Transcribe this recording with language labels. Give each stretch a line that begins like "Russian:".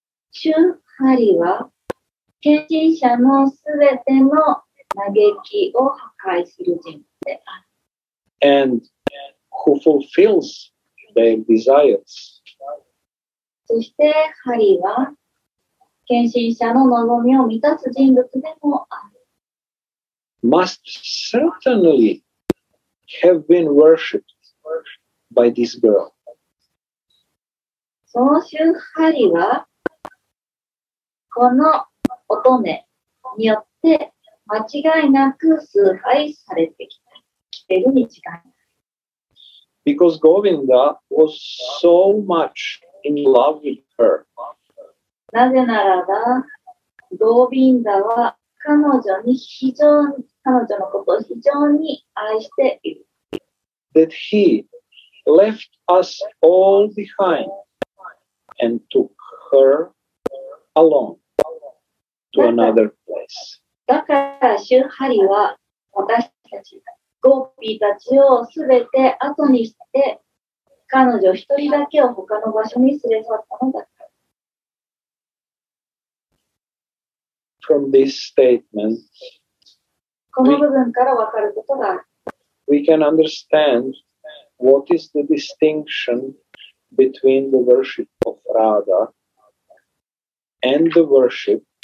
Japanese: 主ハリは献身者のすべての嘆きを破壊する人である。
English: And who fulfills their desires.
Japanese: そしてハリは献身者の望みを満たす人物でもある。
English: Must certainly have been worshipped by this girl.
Japanese: その主ハリはこの乙女によって間違いなく崇拝されてきた。来てるに違いない。
English: Because Govinda was so much in love with her.
Japanese: なぜならば、ゴビンダは彼女のことを非常に愛している。
English: That he left us all behind and took her alone. To another place.
Japanese: だから、シュハリは私たち、ゴッピーたちをすべて後にして、彼女一人だけを他の場所に連れ去ったのだった。
English: From this statement,
Japanese: この部分から分かることがある。
English: We can understand what is the distinction between the worship of Radha and the worship.